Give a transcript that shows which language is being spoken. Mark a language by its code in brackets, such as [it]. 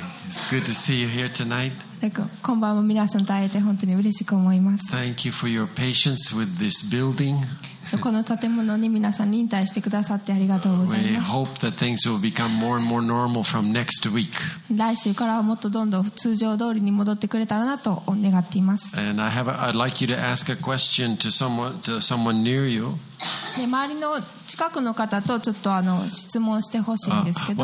[en] It's good to see you here tonight. [ja] こんばんは、皆さんと会えて本当に嬉しく思います。 [en] Thank you for your patience with this building. [ja] この建物に皆さん忍耐してくださってありがとうございます。 [en] We hope that things will become more and more normal from next week. [ja] 来週からはもっとどんどん通常通りに戻ってくれたらなと願っています。 [en] And I'd like you to ask a question to someone near you. [ja] 周りの近くの方とちょっと質問してほしいんですけど。